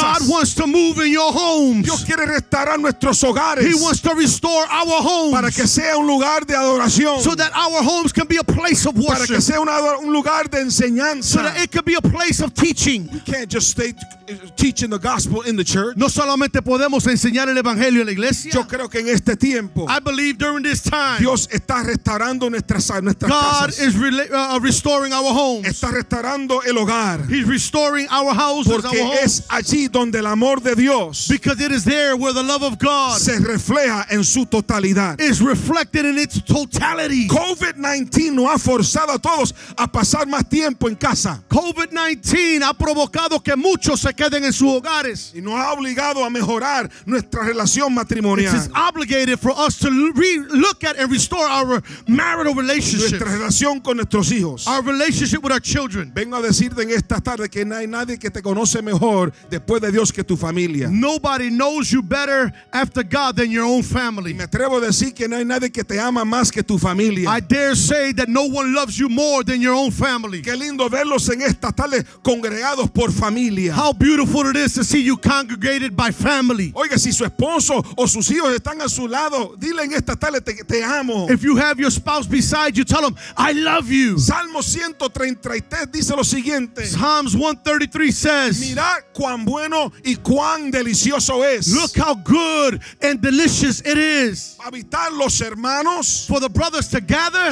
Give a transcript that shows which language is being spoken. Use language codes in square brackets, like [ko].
[en] God wants to move in your homes. [es] Dios quiere restaurar nuestros hogares. [en] He wants to restore our homes. [es] Para que sea un lugar de adoración. [en] So that our homes can be a place of worship. [es] Para que sea un lugar de enseñanza. [en] So that it can be a place of teaching. We can't just stay teaching the gospel in the church. [es] No solamente podemos enseñar el evangelio en la iglesia. Yo creo que en este tiempo. [en] I believe during this time. [es] Dios está restaurando nuestras casas. [en] God is restoring our homes. [es] Está restaurando el hogar. [en] He's restoring our houses. [es] Porque es allí donde el amor de Dios. [en] Because it is there where the love of God. [es] Se refleja en su totalidad. [en] Is reflected in its totality. [es] COVID-19 no ha forzado a todos a pasar más tiempo en casa. COVID-19 ha provocado que muchos se queden en sus hogares. Y nos ha obligado a mejorar nuestra relación matrimonial. [en] It's obligated for us to look at and restore our marital relationship. [es] Nuestra relación con nuestros hijos. [en] Our relationship with our children. [es] Vengo a decirte en esta tarde que no hay nadie que te conoce mejor después de Dios que tu familia. [en] Nobody knows you better after God than your own family. [es] Me atrevo a decir que no hay nadie que te ama. ama más que tu familia. [en] I dare say that no one loves you more than your own family. [es] Qué lindo verlos en esta tarde congregados por familia. [en] How beautiful it is to see you congregated by family. [es] Oiga, si su esposo o sus hijos están a su lado, dile en esta tarde te amo. [en] If you have your spouse beside you, tell them I love you. [es] Salmo 133 dice lo siguiente. [en] Psalms 133 says, [es] mira cuán bueno y cuán delicioso es. [en] Look how good and delicious it is. [es] Habitar los hermanos, [en] for the brothers to gather,